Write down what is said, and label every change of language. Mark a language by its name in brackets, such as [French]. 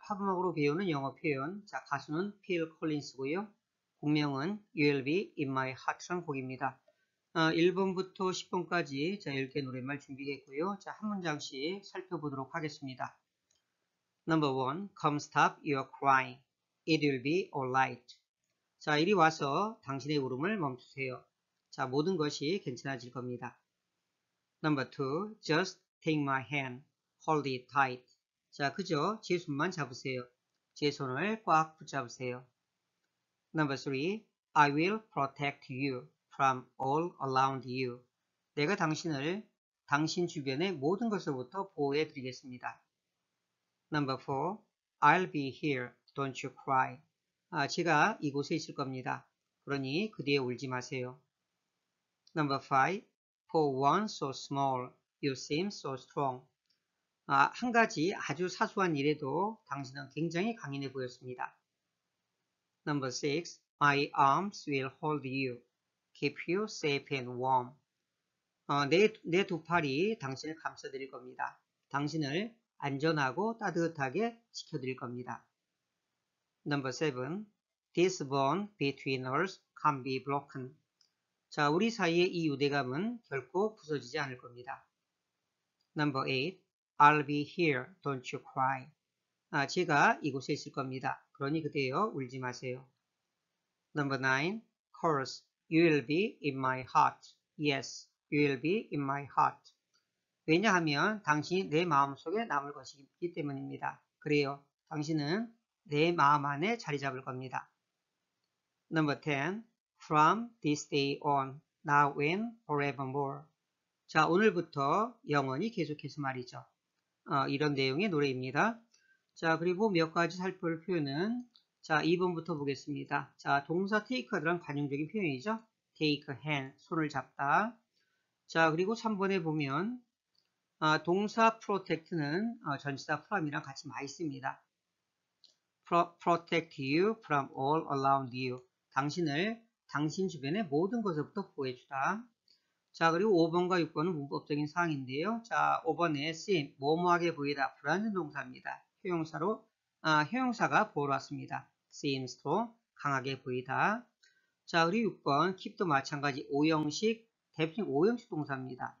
[Korean] 팝음악으로 배우는 영어 표현. 자, 가수는 필 콜린스고요. 곡명은 You'll Be In My Heart라는 곡입니다. 1번부터 10번까지 자, 10개 노랫말 준비했고요. 자, 한 문장씩 살펴보도록 하겠습니다. [English] Number one, come stop your crying. It will be alright. [Korean] 자, 이리 와서 당신의 울음을 멈추세요. 자, 모든 것이 괜찮아질 겁니다. [English] Number two, just take my hand. Hold it tight. [Korean] 자, 그저 제 손만 잡으세요. 제 손을 꽉 붙잡으세요. [English] Number three, I will protect you from all around you. [Korean] 내가 당신을 당신 주변의 모든 것으로부터 보호해 드리겠습니다. [English] Number four, I'll be here. Don't you cry. [Korean] 아, 제가 이곳에 있을 겁니다. 그러니 그 뒤에 울지 마세요. [English] Number five, for one so small, you seem so strong. [Korean] 아, 한 가지 아주 사소한 일에도 당신은 굉장히 강인해 보였습니다. [English] Number six, my arms will hold you, keep you safe and warm. [Korean] 내두 팔이 당신을 감싸드릴 겁니다. 당신을 안전하고 따뜻하게 지켜드릴 겁니다. [English] Number seven, this bond between us can't be broken. [Korean] 자, 우리 사이의 이 유대감은 결코 부서지지 않을 겁니다. [English] Number eight, I'll be here. Don't you cry. [Korean] 아, 제가 이곳에 있을 겁니다. 그러니 그대여 울지 마세요. [English] Number nine, chorus. You'll be in my heart. Yes, you'll be in my heart. [Korean] 왜냐하면 당신이 내 마음속에 남을 것이기 때문입니다. 그래요. 당신은 내 마음 안에 자리 잡을 겁니다. [English] Number ten, from this day on, now and forevermore. [Korean] 자, 오늘부터 영원히 계속해서 말이죠. 이런 내용의 노래입니다. 자, 그리고 몇 가지 살펴볼 표현은, 자, 2번부터 보겠습니다. 자, 동사 take라는 관용적인 표현이죠. [English] take a hand, [Korean] 손을 잡다. 자, 그리고 3번에 보면, 동사 protect는 전치사 from이랑 같이 많이 씁니다. [English] protect you from all around you. [Korean] 당신을 당신 주변의 모든 것으로부터 보호해주다. 자, 그리고 5번과 6번은 문법적인 사항인데요. 자, 5번에 쓰인 모모하게 보이다. 불안한 동사입니다. 형용사가 보러 왔습니다. [English] seems to [Korean] 강하게 보이다. 자, 그리고 6번 keep도 마찬가지 5형식 대표적인 5형식 동사입니다.